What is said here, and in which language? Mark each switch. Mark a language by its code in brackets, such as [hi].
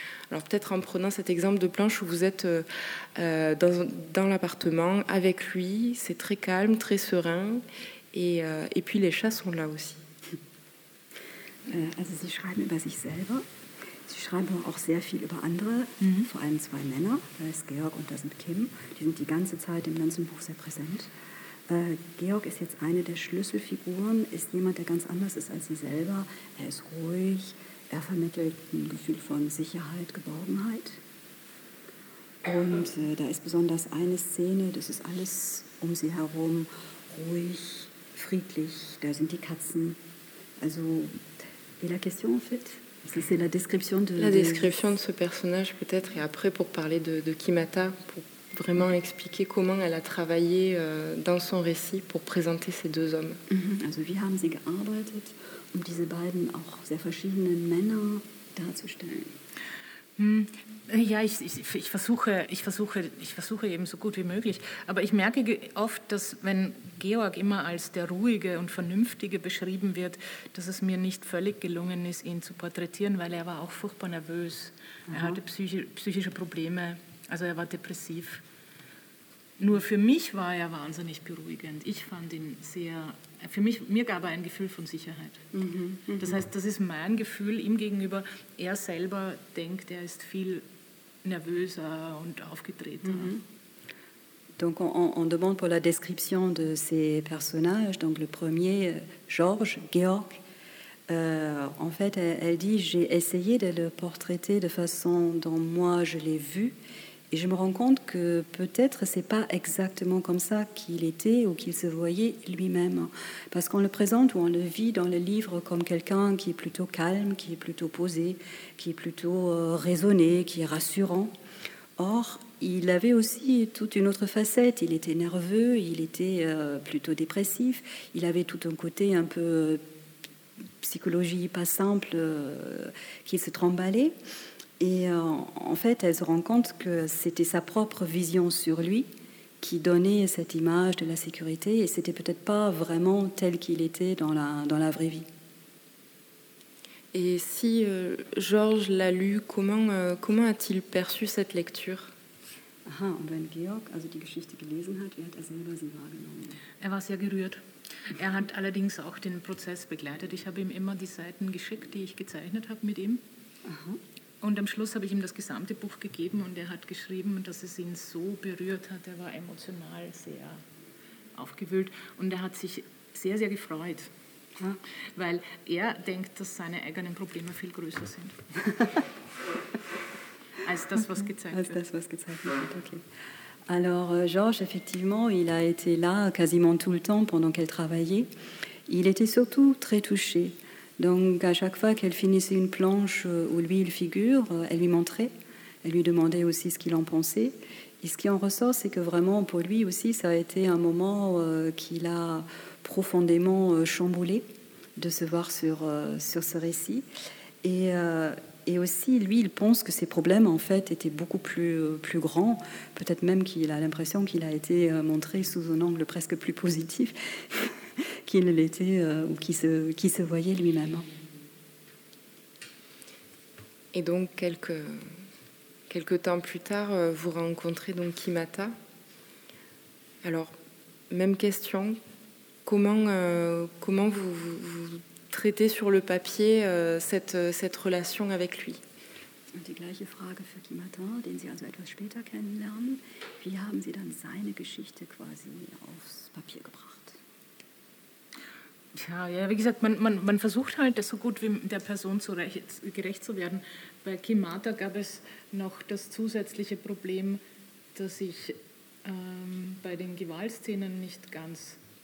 [fr] Alors peut-être en prenant cet exemple de planche où vous êtes dans l'appartement avec lui, c'est très calme, très serein, et puis les chats sont là aussi. [de] Also sie schreiben über sich selber. Sie schreiben auch sehr viel über andere, vor allem zwei Männer, da ist Georg und da sind Kim. Die sind die ganze Zeit im ganzen Buch sehr präsent. Georg ist jetzt eine der Schlüsselfiguren, ist jemand, der ganz anders ist als sie selber. Er ist ruhig. Er vermittelt ein Gefühl von Sicherheit, Geborgenheit. Und da ist besonders eine Szene, das ist alles um sie herum, ruhig, friedlich, da sind die Katzen. [fr] Also, et la question en fait, c'est la description de ce personnage peut-être, et après pour parler de Kimata, pour vraiment expliquer comment elle a travaillé dans son récit pour présenter ces deux hommes. [de] Also, wie haben sie gearbeitet, um diese beiden auch sehr verschiedenen Männer darzustellen? Ja, ich versuche eben so gut wie möglich. Aber ich merke oft, dass wenn Georg immer als der Ruhige und Vernünftige beschrieben wird, dass es mir nicht völlig gelungen ist, ihn zu porträtieren, weil er war auch furchtbar nervös. Aha. Er hatte psychische Probleme, also er war depressiv. Nur für mich war er wahnsinnig beruhigend. Ich fand ihn sehr, für mich, mir gab er ein Gefühl von Sicherheit. Das heißt, das ist mein Gefühl ihm gegenüber. Er selber denkt, er ist viel nervöser und aufgedrehter. [fr] Donc on demande pour la description de ces personnages. Donc le premier, Georg. En fait, elle dit, j'ai essayé de le portraiter de façon dont moi je l'ai vu. Et je me rends compte que peut-être ce n'est pas exactement comme ça qu'il était ou qu'il se voyait lui-même. Parce qu'on le présente ou on le vit dans le livre comme quelqu'un qui est plutôt calme, qui est plutôt posé, qui est plutôt raisonné, qui est rassurant. Or, il avait aussi toute une autre facette. Il était nerveux, il était plutôt dépressif. Il avait tout un côté un peu psychologie pas simple qui se trimbalait. Et en fait, elle se rend compte que c'était sa propre vision sur lui qui donnait cette image de la sécurité, et c'était peut-être pas vraiment tel qu'il était dans la vraie vie. Et si Georges l'a lu, comment a-t-il perçu cette lecture? [de] Aha, und wenn Georg also die Geschichte gelesen hat, wie hat er selber sie wahrgenommen? Er war sehr gerührt. Er hat allerdings auch den Prozess begleitet. Ich habe ihm immer die Seiten geschickt, die ich gezeichnet habe mit ihm. Aha. Und am Schluss habe ich ihm das gesamte Buch gegeben und er hat geschrieben, dass es ihn so berührt hat. Er war emotional sehr aufgewühlt und er hat sich sehr, sehr gefreut, weil er denkt, dass seine eigenen Probleme viel größer sind als das, was gezeigt wird. Als das, was gezeigt wird, okay. [fr] Alors, Georges, effectivement, il a été là quasiment tout le temps pendant qu'elle travaillait. Il était surtout très touché. Donc à chaque fois qu'elle finissait une planche où lui il figure, elle lui montrait, elle lui demandait aussi ce qu'il en pensait. Et ce qui en ressort, c'est que vraiment pour lui aussi, ça a été un moment qui l'a profondément chamboulé de se voir sur ce récit. Et aussi, lui, il pense que ses problèmes, en fait, étaient beaucoup plus grands. Peut-être même qu'il a l'impression qu'il a été montré sous un angle presque plus positif qu'il l'était ou qui se voyait lui-même. Et donc quelques temps plus tard, vous rencontrez donc Kimata. Alors Même question. Comment vous traitez sur le papier cette relation avec lui? [de] Die gleiche Frage für Kimatan, den Sie also etwas später kennenlernen. Wie haben Sie dann seine Geschichte quasi aufs Papier gebracht? Tja, ja, wie gesagt, man versucht halt, das so gut wie der Person gerecht zu werden. Bei Kimata gab es noch das zusätzliche Problem, dass ich bei den Gewaltszenen nicht ganz...